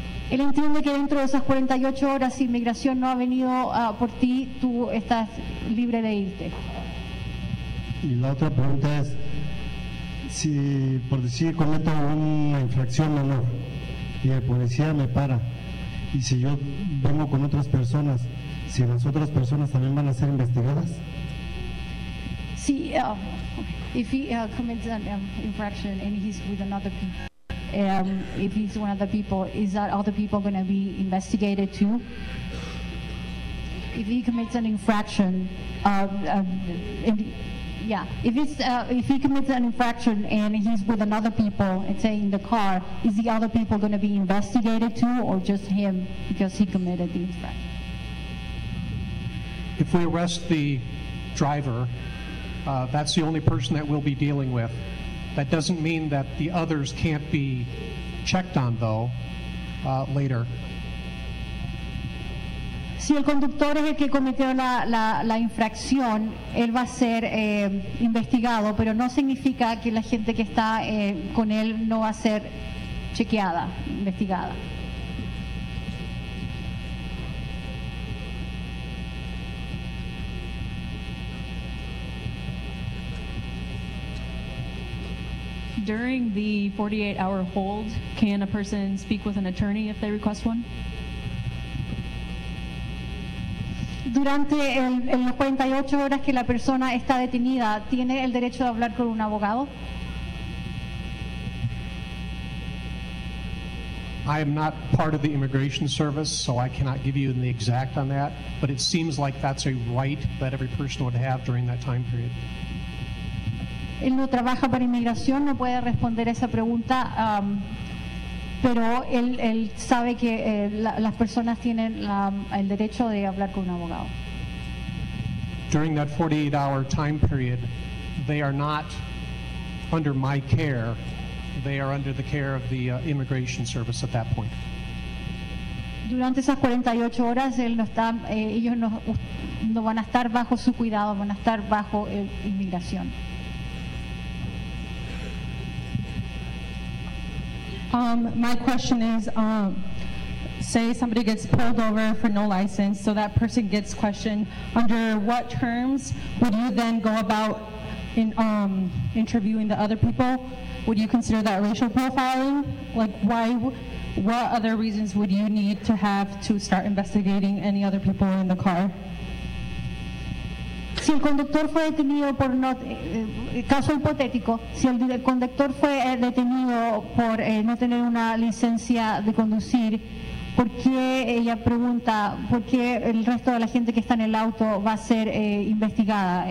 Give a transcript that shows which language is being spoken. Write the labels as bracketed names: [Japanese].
[Spanish] Él entiende que dentro de esas 48 horas, si inmigración no ha venido por ti, tú estás libre de irte. Y la otra pregunta es, si por decir cometo una infracción menor y el policía me para, y si yo vengo con otras personas, si las otras personas también van a ser investigadas. [English] Si if he commits an infraction and he's with another people, if he's one of the people, is that other people going to be investigated too? If he commits an infraction, yeah, if he commits an infraction and he's with another people, let's say in the car, is the other people going to be investigated too, or just him because he committed the infraction? If we arrest the driver, that's the only person that we'll be dealing with. That doesn't mean that the others can't be checked on, though, later. [Spanish] Si el conductor es el que cometió la infracción, él va a ser investigado, pero no significa que la gente que está con él no va a ser chequeada, investigada. [English] During the 48-hour hold, can a person speak with an attorney if they request one? [Spanish] Durante las 48 horas que la persona está detenida, ¿tiene el derecho de hablar con un abogado? [English] I am not part of the immigration service, so I cannot give you the exact on that, but it seems like that's a right that every person would have during that time period. [Spanish] Él no trabaja para inmigración, no puede responder esa pregunta, pero él sabe que las personas tienen el derecho de hablar con un abogado. [English] During that 48-hour time period, they are not under my care. They are under the care of the immigration service at that point. [Spanish] Durante esas 48 horas, él no está, ellos no van a estar bajo su cuidado, van a estar bajo inmigración. [English] My question is, say somebody gets pulled over for no license, so that person gets questioned. Under what terms would you then go about in interviewing the other people? Would you consider that racial profiling? Like, why? What other reasons would you need to have to start investigating any other people in the car? [Spanish] Si el conductor fue detenido por no, caso hipotético, si el conductor fue detenido por no tener una licencia de conducir, ¿por qué ella pregunta, por qué el resto de la gente que está en el auto va a ser investigada?